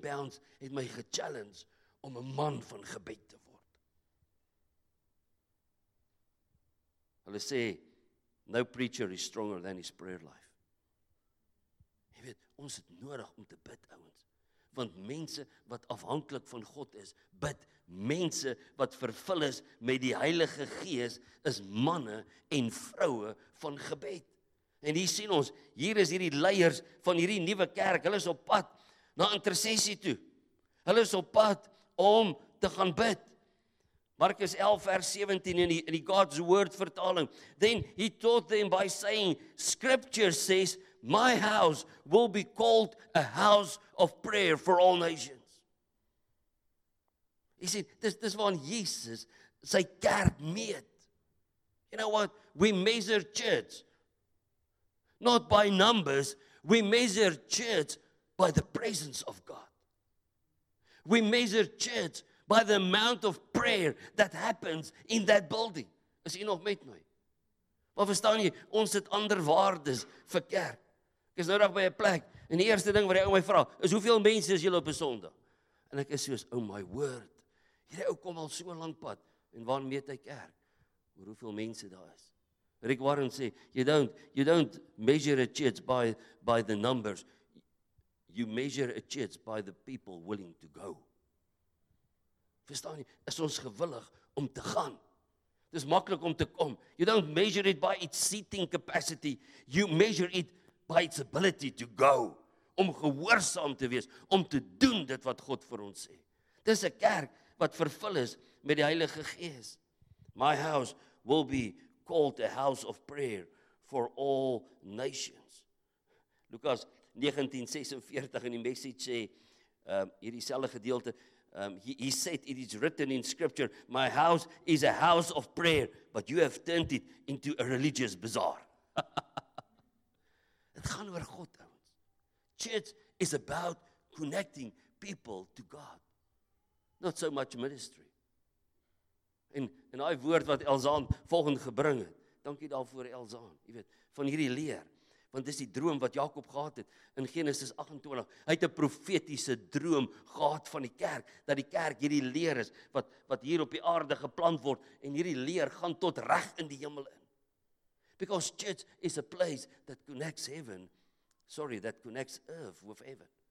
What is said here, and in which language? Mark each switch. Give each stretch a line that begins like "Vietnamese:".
Afrikaans: Bounds het my gechallenge om 'n man van gebed te word. Hulle sê,
English: "No preacher is stronger than his prayer life."
Afrikaans: Jy weet, ons het nodig om te bid, ouens. Want mense wat afhanklik van God is, bid. Mense wat vervul is met die Heilige Gees, is manne en vroue van gebed. En hier sien ons, hier is hierdie leiers van hierdie nuwe kerk, hulle is op pad na intersessie toe. Hulle is op pad om te gaan bid. Markus 11 vers 17 in die God's Word vertaling.
English: "Then he taught them by saying, Scripture says, my house will be called a house of prayer for all nations."
Afrikaans: Jy sien, dis waarin Jesus sy kerk meet.
English: You know what? We measure church not by numbers, we measure church by the presence of God. We measure church by the amount of prayer that happens in that building.
Afrikaans: Is jy nog met my? Maar verstaan jy, ons het ander waardes vir kerk. Ek is nou reg by 'n plek en die eerste ding wat die ou my vra, is hoeveel mense is julle op 'n Sondag? En ek is soos,
English: "Oh my word,
Afrikaans: hierdie ou kom al so lank pad en waar meet hy kerk? Oor hoeveel mense daar is?"
English: Rick Warren
Afrikaans: sê,
English: you don't measure a church by the numbers. You measure a church by the people willing to go.
Afrikaans: Verstaan jy? Is ons gewillig om te gaan? Dit is maklik om te kom.
English: You don't measure it by its seating capacity. You measure it by its ability to go.
Afrikaans: Om gehoorsaam te wees. Om te doen dit wat God vir ons sê. Dit is 'n kerk wat vervul is met die Heilige Gees.
English: My house will be called a house of prayer for all nations.
Afrikaans: Lukas 19:46 in die Message sê, hier dieselfde gedeelte,
English: he said, "It is written in scripture, my house is a house of prayer, but you have turned it into a religious bazaar."
Afrikaans: Het gaan oor God, ouens.
English: Church is about connecting people to God. Not so much ministry.
Afrikaans: En daai woord wat Elzaan volgende gebring het, dankie daarvoor Elzaan, jy weet, van hierdie leer, want dis die droom wat Jakob gehad het in Genesis 28. Hy het 'n profetiese droom gehad van die kerk, dat die kerk hierdie leer is wat hier op die aarde geplant word en hierdie leer gaan tot reg in die hemel in.
English: Because church is a place that connects heaven, sorry, that connects earth with heaven.